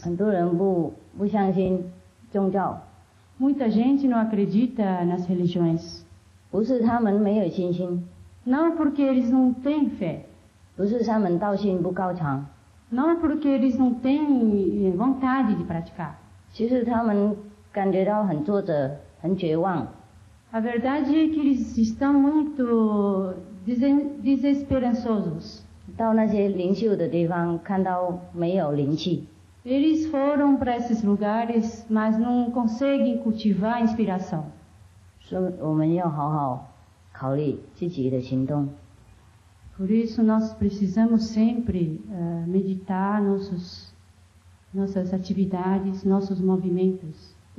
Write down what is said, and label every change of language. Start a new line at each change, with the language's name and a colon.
Chinese: 很多人不相信宗教.
Portuguese: Muita gente não acredita nas religiões.
Chinese: 不是他们没有信心.
Portuguese: Não porque eles não têm fé.
Chinese: 不是他们道心不高长.
Portuguese: Não porque eles não têm vontade de praticar.
Chinese: 其实他们感觉到很挫折, 很绝望.
Portuguese: A verdade é que eles estão muito desesperançosos.
Chinese: 到那些灵秀的地方看到没有灵气.
Portuguese: Eles foram para esses lugares, mas não conseguem cultivar a inspiração.
Chinese: 所以我们要好好考虑自己的行动.
Portuguese: Por isso nós precisamos sempre meditar nossas atividades, nossos movimentos.